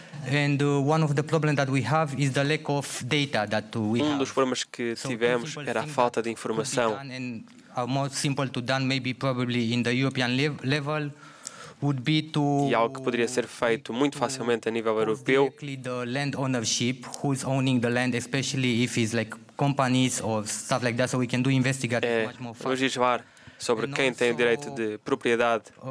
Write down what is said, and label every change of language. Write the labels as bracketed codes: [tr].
[en] And one of the problems that we have is the lack of data that we have. [pt] Um dos problemas que tivemos era a falta de informação. [en] And more simple to done, maybe probably in the European level, would be to. [pt] E algo que poderia ser feito muito facilmente a nível europeu. [en] The land ownership, who's owning the land, especially if it's like companies or stuff like that, so we can do investigate much more. [pt] Legislar sobre quem tem o direito de propriedade.